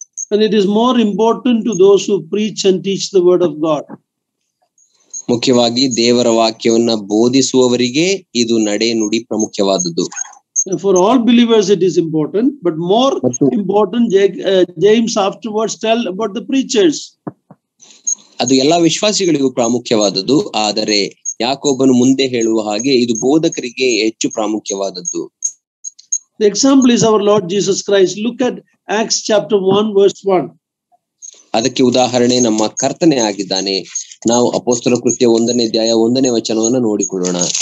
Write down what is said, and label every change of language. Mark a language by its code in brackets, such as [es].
[en] And it is more important to those who preach and teach the word of God. [kn] ಮುಖ್ಯವಾಗಿ ದೇವರ ವಾಕ್ಯವನ್ನು ಬೋಧಿಸುವವರಿಗೆ ಇದು ನಡೆ ನುಡಿ ಪ್ರಾಮುಖ್ಯವಾದದ್ದು. [en] For all believers it is important, but more important James afterwards tell about the preachers. [kn] ಅದು ಎಲ್ಲಾ ವಿಶ್ವಾಸಿಗಳಿಗೂ ಪ್ರಾಮುಖ್ಯವಾದದ್ದು, ಆದರೆ ಯಾಕೋಬನು ಮುಂದೆ ಹೇಳುವ ಹಾಗೆ ಇದು ಬೋಧಕರಿಗೆ ಹೆಚ್ಚು ಪ್ರಾಮುಖ್ಯವಾದದ್ದು. [en] The example is our Lord Jesus Christ. Look at Acts chapter 1 verse 1. [kn] ಅದಕ್ಕೆ ಉದಾಹರಣೆ ನಮ್ಮ ಕರ್ತನೇ ಆಗಿದ್ದಾನೆ. ನಾವು ಅಪೊಸ್ತಲ ಕೃತ್ಯ 1ನೇ ಅಧ್ಯಾಯ 1ನೇ ವಚನವನ್ನು ನೋಡಿಕೊಳ್ಳೋಣ.